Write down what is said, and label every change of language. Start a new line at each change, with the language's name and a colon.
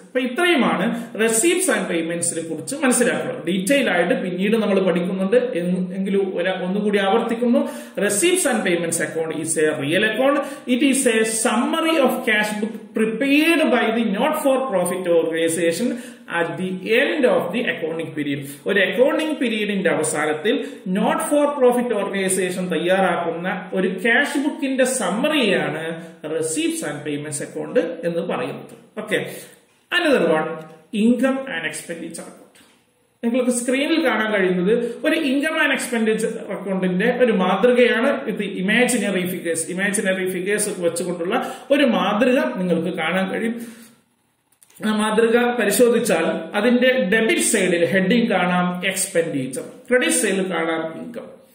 Malayalam: അപ്പൊ ഇത്രയുമാണ് receipts and പേയ്മെന്റ്സിനെ കുറിച്ച് മനസ്സിലാക്കുന്നത്. ഡീറ്റെയിൽ ആയിട്ട് പിന്നീട് നമ്മൾ പഠിക്കുന്നുണ്ട് എങ്കിലും ഒന്നുകൂടി ആവർത്തിക്കുന്നു.
English: Receipts and payments account is a real account. It is a summary of cash book prepared by the not for profit organisation at the end of the accounting period.
Malayalam: ഒരു accounting period ന്റെ അവസാനത്തിൽ not for profit organization തയ്യാറാക്കുന്ന ഒരു cash book ന്റെ summary ആണ് receipts and payments account എന്ന് പറയുന്നത്. Okay.
English: Another one, income and expenditure account.
Malayalam: നിങ്ങൾക്ക് സ്ക്രീനിൽ കാണാൻ കഴിയുന്നത് ഒരു ഇൻകം ആൻഡ് എക്സ്പെൻഡിച്ചർ അക്കൗണ്ടിന്റെ ഒരു മാതൃകയാണ്. ഇത് ഇമാജിനറി ഫിഗേഴ്സ് വെച്ചുകൊണ്ടുള്ള ഒരു മാതൃക നിങ്ങൾക്ക് കാണാൻ കഴിയും. ആ മാതൃക പരിശോധിച്ചാൽ അതിന്റെ ഡെബിറ്റ് സൈഡിൽ ഹെഡിംഗ് കാണാം എക്സ്പെൻഡിച്ചർ, ക്രെഡിറ്റ് സൈഡിൽ കാണാം ഇൻകം.